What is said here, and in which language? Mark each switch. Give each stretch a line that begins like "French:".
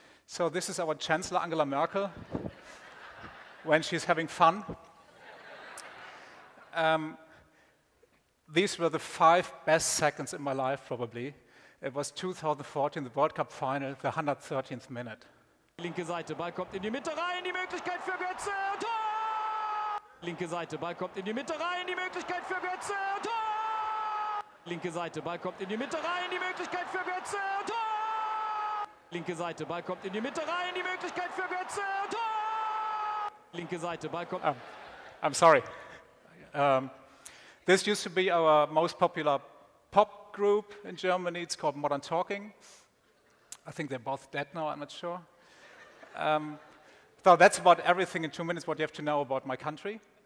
English: So this is our Chancellor Angela Merkel when she's having fun. These were the 5 best seconds in my life, probably. It was 2014, the World Cup final, the 113th minute.
German: Linke Seite, Ball kommt in die Mitte rein, die Möglichkeit für Götze, Tor! Linke Seite, Ball kommt in die Mitte rein, die Möglichkeit für Götze, Tor! Linke Seite, Ball kommt in die Mitte rein, die Möglichkeit für Götze, Tor! Linke Seite, Ball kommt in die Mitte rein, die Möglichkeit für Götze, Tor! Linke Seite, Ball kommt.
English: I'm sorry. This used to be our most popular pop group in Germany. It's called Modern Talking. I think they're both dead now, I'm not sure. So that's about everything in 2 minutes what you have to know about my country.